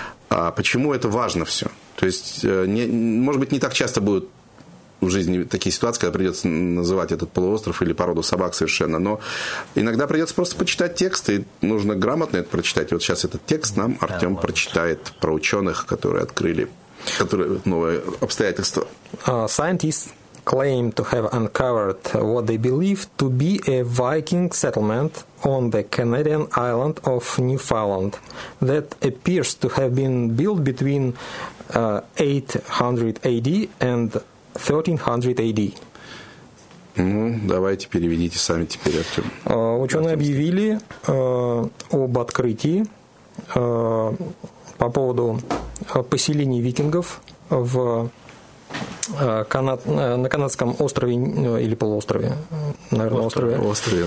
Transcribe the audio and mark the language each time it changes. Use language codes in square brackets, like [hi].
[ru] А почему это важно все? То есть, может быть, не так часто будут в жизни такие ситуации, когда придется называть этот полуостров или породу собак совершенно, но иногда придется просто почитать текст, и нужно грамотно это прочитать. И вот сейчас этот текст нам Артем прочитает про ученых, которые открыли новые обстоятельства. [en] Scientists claim to have uncovered what they believe to be a Viking settlement on the Canadian island of Newfoundland that appears to have been built between 800 AD and 1300 AD. [ru] Ну, давайте переведите сами теперь, Артем. Ученые объявили об открытии по поводу поселений викингов в на канадском острове или полуострове, наверное, острове